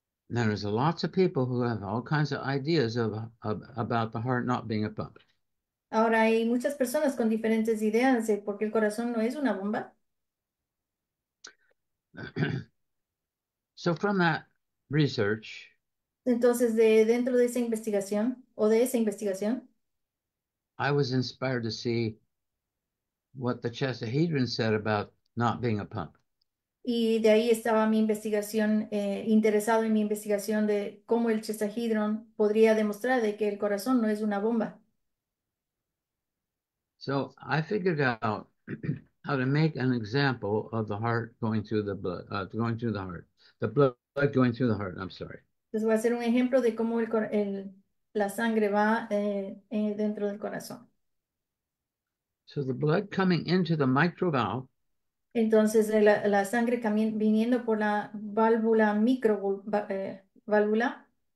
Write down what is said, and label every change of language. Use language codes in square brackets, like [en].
[en] There's lots of people who have all kinds of ideas about the heart not being a pump. [es] Ahora hay muchas personas con diferentes ideas de por qué el corazón no es una bomba. [en] So from that research, [es] Entonces, de dentro de esa investigación o de esa investigación, [en] I was inspired to see what the Chestahedron said about not being a pump. [es] Y de ahí estaba mi investigación, interesado en mi investigación de cómo el chestahedron podría demostrar de que el corazón no es una bomba. [en] So I figured out how to make an example of the heart going through the blood, going through the heart, the blood going through the heart. I'm sorry. [es] Entonces voy a hacer un ejemplo de cómo la sangre va dentro del corazón. [en] So the blood coming into the mitral valve. [es] Entonces la sangre viniendo por la válvula válvula.